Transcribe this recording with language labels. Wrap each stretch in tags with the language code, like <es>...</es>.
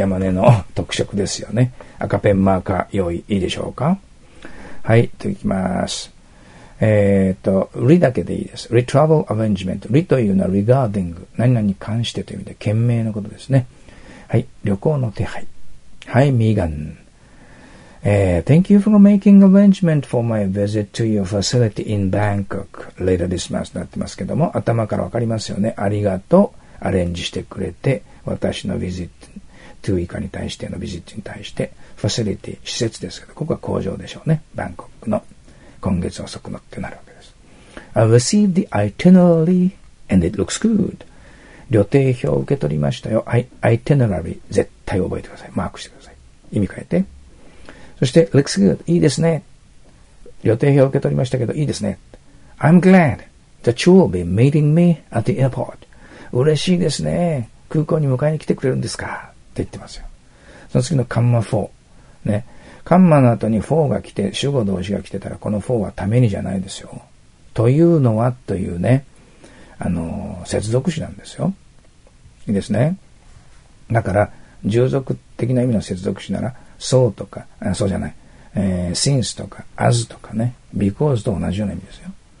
<ja>山根の特色ですよね。赤ペンマーカー用意いいでしょうか。はい、といきます。re だけでいいです。 retravel arrangement。 re というのは regarding。何々に関してという意味で、懸命のことですね。はい、旅行の手配。はい、ミーガン。</ja> <en>Thank you for making arrangement for my visit to your facility in Bangkok later this month.</en> <ja>なってますけども、頭からわかりますよね。ありがとう。アレンジしてくれて、私のビジット、to 以下に対してのビジットに対して、facility、施設ですけど、ここは工場でしょうね。 Bangkok の今月遅くのってなるわけです。</ja> <en>I received the itinerary and it looks good.</en> <ja>旅程表を受け取りましたよ。はい、itinerary 絶対覚えてください。マークしてください。意味変えて。そして、looks good. いいですね。予定表を受け取りましたけど、いいですね。</ja> <en>I'm glad that you will be meeting me at the airport.</en> <ja>嬉しいですね。空港に迎えに来てくれるんですか?って言ってますよ。その次のカンマ4。ね。カンマの後に4が来て、主語動詞が来てたら、この4はためにじゃないですよ。というのはというね、接続詞なんですよ。いいですね。だから従属的な意味の接続詞なら so とか、そうじゃない、since とか as とかね、 because と同じような意味ですよ。</ja>